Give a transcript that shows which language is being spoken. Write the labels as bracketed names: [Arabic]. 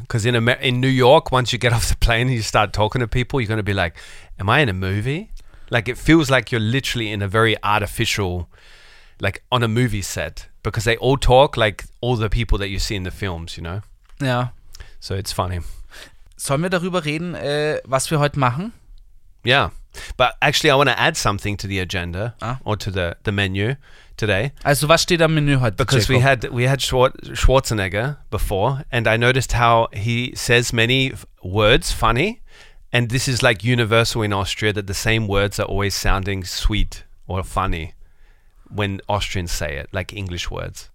[English] Because in New York, once you get off the plane and you start talking to people, you're going to be like, am I in a movie? Like, it feels like you're literally in a very artificial, like, on a movie set. Because they all talk like all the people that you see in the films, you know? Yeah. So it's funny. [German] Sollen wir darüber reden, was wir heute machen? [English] Yeah. But actually, I want to add something to the agenda or to the menu today. [German] Also, was steht am Menü heute, [English] because [German] Jacob? [English] we had Schwarzenegger before, and I noticed how he says many words funny, and this is like universal in Austria that the same words are always sounding sweet or funny when Austrians say it, like English words.